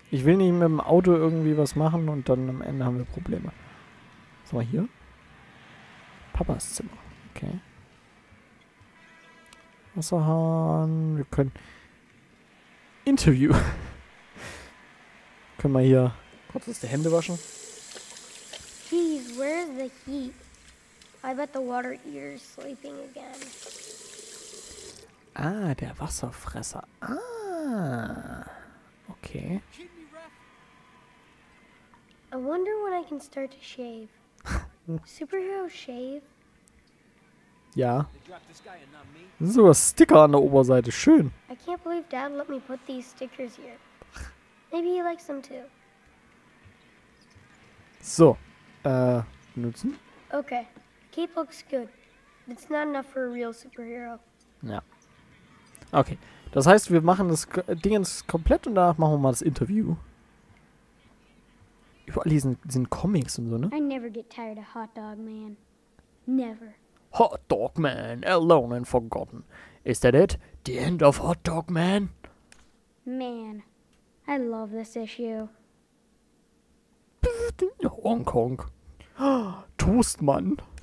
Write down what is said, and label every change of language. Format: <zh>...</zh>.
<de>Ich will nicht mit dem Auto irgendwie was machen und dann am Ende haben wir Probleme. Was haben wir hier? Papas Zimmer. Okay. Wasserhahn, wir können Interview. Können wir hier kurz die Hände waschen?</de> <en>Jeez, where is the heat? I bet the water eater is sleeping again.</en> <de>Ah, der Wasserfresser. Ah. Okay.</de> <en>I wonder when I can start to shave. Superhero shave.</en> <de>Ja. Das sind sogar Sticker an der Oberseite. Schön.</de> <en>I can't believe Dad let me put these stickers here. Maybe he likes them too.</en> <de>So. Nutzen.</de> <en>Okay. Cape looks good. It's not enough for a real superhero.</en> <de>Ja. Okay. Das heißt, wir machen das Ding jetzt komplett und danach machen wir mal das Interview. überall lesen, sind Comics und so, ne?</de> <en>I never get tired of Hot Dog Man. Never. Hot Dog Man, alone and forgotten. Is that it? The end of Hot Dog Man? Man, I love this issue.</en> <de>Hong Kong. Toastmann.</de>